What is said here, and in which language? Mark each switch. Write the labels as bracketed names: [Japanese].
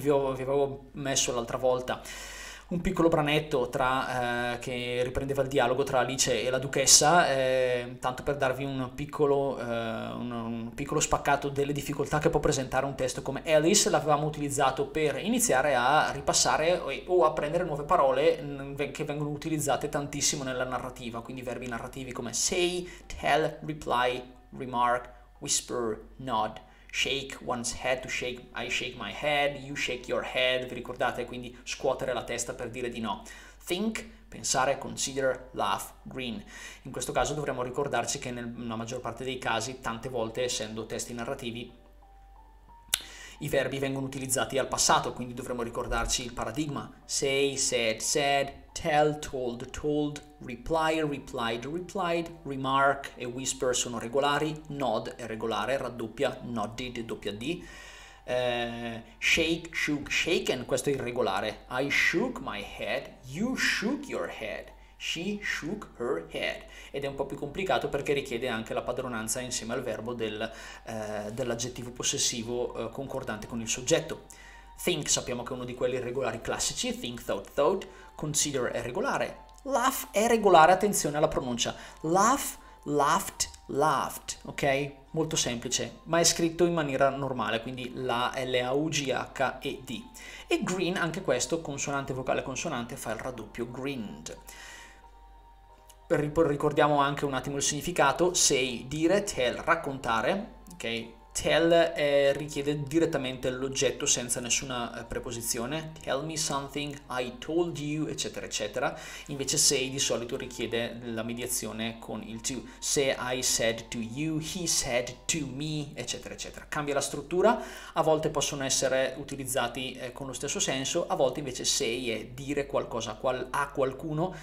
[Italian] Io vi avevo messo l'altra volta un piccolo branetto che riprendeva il dialogo tra Alice e la duchessa, tanto per darvi un piccolo spaccato delle difficoltà che può presentare un testo come Alice. L'avevamo utilizzato per iniziare a ripassare o a prendere nuove parole che vengono utilizzate tantissimo nella narrativa, quindi verbi narrativi come say, tell, reply, remark, whisper, nod. [English] Shake one's head to shake, I shake my head, you shake your head, [Italian] vi ricordate? Quindi scuotere la testa per dire di no. Think, pensare, consider, laugh, grin. In questo caso dovremmo ricordarci che nella maggior parte dei casi, tante volte, essendo testi narrativi, i verbi vengono utilizzati al passato, quindi dovremmo ricordarci il paradigma. Say, said, said, tell, told, told, reply, replied, replied, remark e whisper sono regolari, nod è regolare, raddoppia, nodded, doppia D. [English] Shake, shook, shaken, [Italian] questo è irregolare. [English] I shook my head, you shook your head. She shook her head. [Italian] Ed è un po' più complicato perché richiede anche la padronanza insieme al verbo dell'aggettivo possessivo concordante con il soggetto. Think sappiamo che è uno di quelli irregolari classici. [English] Think, thought, thought. [Italian] Consider è regolare. Laugh è regolare, attenzione alla pronuncia. [English] Laugh, laughed, laughed. Ok? [Italian] Molto semplice, ma è scritto in maniera normale, quindi la L-A-U-G-H-E-D. E green, anche questo, consonante vocale consonante, fa il raddoppio grinned. Ricordiamo anche un attimo il significato: say, dire, tell, raccontare, ok? Tell richiede direttamente l'oggetto senza nessuna preposizione. [English] Tell me something, I told you, [Italian] eccetera, eccetera. Invece say di solito richiede la mediazione con il to. [English] Say I said to you, he said to me, [Italian] eccetera, eccetera. Cambia la struttura. A volte possono essere utilizzati con lo stesso senso. A volte invece say è dire qualcosa a qualcuno.